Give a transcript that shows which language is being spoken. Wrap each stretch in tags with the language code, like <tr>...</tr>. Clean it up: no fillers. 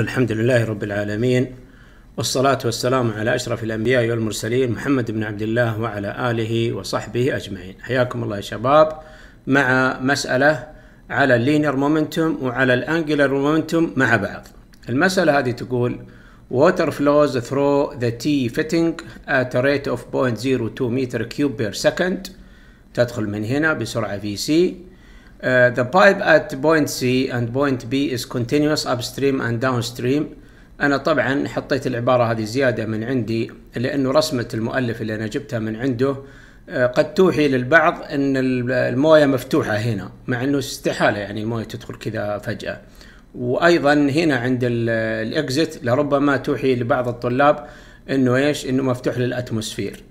<ar>الحمد لله رب العالمين، والصلاة والسلام على أشرف الأنبياء والمرسلين محمد بن عبد الله وعلى آله وصحبه أجمعين. حياكم الله يا شباب مع مسألة على اللينير مومنتوم وعلى الأنجلر مومنتوم مع بعض. المسألة هذه تقول</ar> <en>water flows through the T fitting at a rate of 0.02 meter cube per second.</en> <ar>تدخل من هنا بسرعة VC.</ar> <en>The pipe at point C and point B is continuous upstream and downstream.</en> <ar>أنا طبعا حطيت العبارة هذه زيادة من عندي لأنه رسمة المؤلف اللي أنا جبتها من عنده قد توحي للبعض أن الموية مفتوحة هنا، مع أنه استحالة يعني الموية تدخل كذا فجأة. وأيضا هنا عند الإكزيت لربما توحي لبعض الطلاب أنه إيش، أنه مفتوح للأتموسفير.</ar>